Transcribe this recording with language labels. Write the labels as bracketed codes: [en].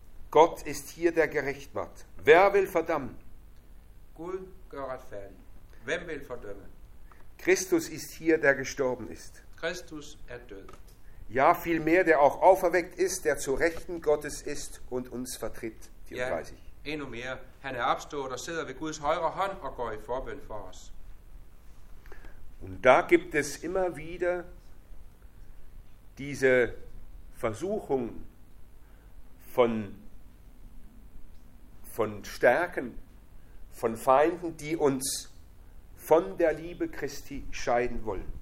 [de] Gott ist hier der gerecht macht. Wer will verdammen? [da] Gud gør retfærdig. Hvem vil fordømme? [de] Christus ist hier der gestorben ist. [da] Christus er død. [de] Ja, vielmehr, der auch auferweckt ist, der zu Rechten Gottes ist und uns vertritt. 34. [da] Ja, endnu mere. Han er opstået og sidder ved Guds højre hånd og går i forbøn for os. [de] Und da gibt es immer wieder diese Versuchung von Stärken, von Feinden, die uns von der Liebe Christi scheiden wollen.